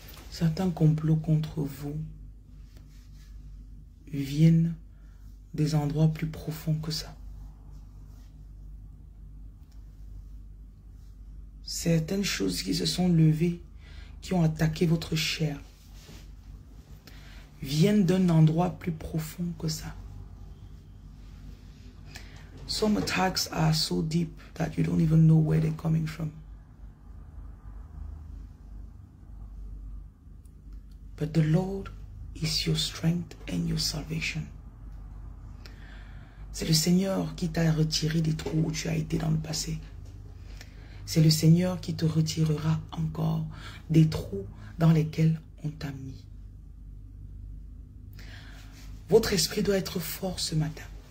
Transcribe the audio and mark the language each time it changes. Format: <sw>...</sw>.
<fr>Certains complots contre vous viennent des endroits plus profonds que ça. Certaines choses qui se sont levées, qui ont attaqué votre chair, viennent d'un endroit plus profond que ça.</fr> <en>Some attacks are so deep that you don't even know where they're coming from. But the Lord is your strength and your salvation.</en> <fr>C'est le Seigneur qui t'a retiré des trous où tu as été dans le passé. C'est le Seigneur qui te retirera encore des trous dans lesquels on t'a mis. Votre esprit doit être fort ce matin.</fr>